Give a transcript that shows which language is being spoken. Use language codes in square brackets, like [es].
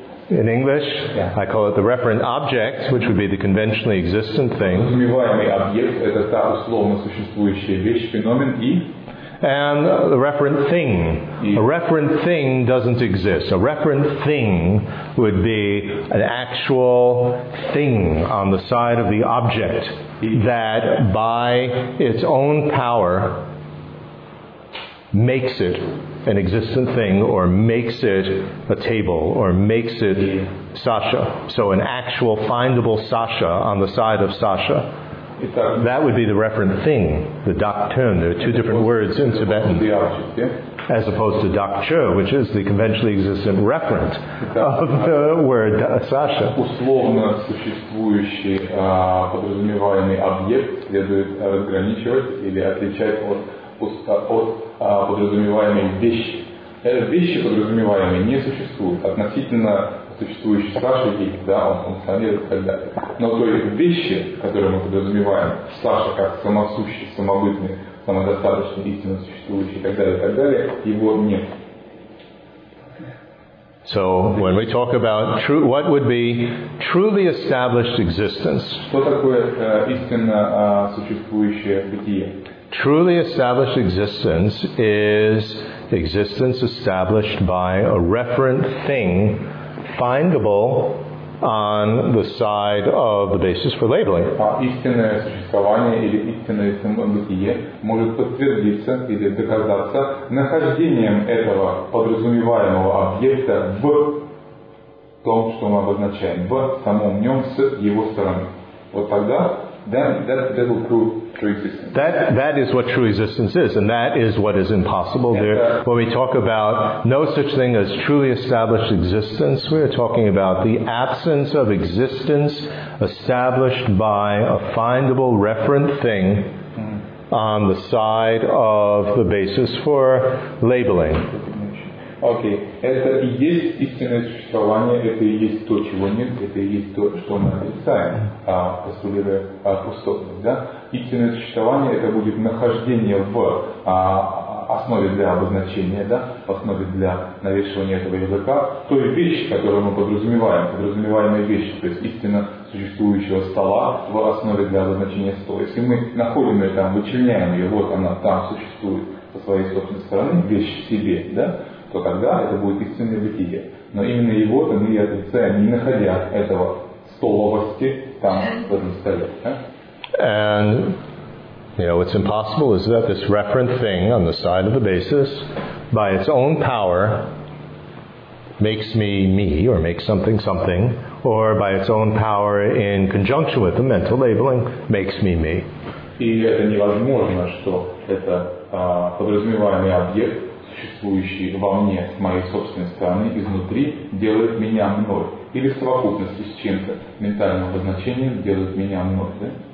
[en] In English, I call it the referent object, which would be the conventionally existent thing. [ru] Подразумеваемый объект — это та условно существующая вещь, феномен, и... [en] And the referent thing. A referent thing doesn't exist. A referent thing would be an actual thing on the side of the object that by its own power makes it an existent thing, or makes it a table, or makes it Sasha. So an actual findable Sasha on the side of Sasha. [ru] Итак, [en] that would be the referent thing, the doktun. There are two different words in Tibetan. Object, yeah? As opposed to doktun, which is the conventionally existent referent of the word Sasha. [ru] Условно существующий подразумеваемый объект следует разграничивать или отличать от подразумеваемой вещи. Вещи подразумеваемые не существуют относительно существующей Саши, и да, он функционирует и так далее. Но то есть вещи, которые мы подразумеваем, Саша как самосущий, самобытный, самодостаточный, истинно существующий и так далее, его нет. [en] So when we talk about true, what would be truly established existence? [ru] Что такое истинно существующее бытие? [en] Truly established existence is existence established by a referent thing findable on the side of the basis for labeling. [ru] Истинное существование или истинное бытие может подтвердиться или доказаться нахождением этого подразумеваемого объекта в том, что мы обозначаем, в самом нем с его стороны. Вот тогда [en] that will prove true existence. That is what true existence is, and that is what is impossible. There, when we talk about no such thing as truly established existence, we are talking about the absence of existence established by a findable referent thing on the side of the basis for labeling. Okay. [ru] Это и есть истинное существование, это и есть то, чего нет, это и есть то, что мы отрицаем, постулируя пустотность, да? Истинное существование — это будет нахождение в основе для обозначения, да, в основе для навешивания этого языка, той вещи, которую мы подразумеваем, подразумеваемой вещи, то есть истинно существующего стола в основе для обозначения стола. Если мы находим ее там, вычерняем ее, вот она там существует со своей собственной стороны, вещь в себе, да, то тогда это будет истинное бытие. Но именно его-то мы и отрицаем, не находя этого столовости там, в этом столе. [en] And, you know, what's impossible is that this referent thing on the side of the basis, by its own power, makes me me, or makes something something, or by its own power in conjunction with the mental labeling, makes me me. [ru] И это невозможно, что это подразумеваемый объект, существующий во мне с моей собственной стороны изнутри, делает меня мной. Или в совокупности с чем-то ментальным обозначением делает меня мной, да?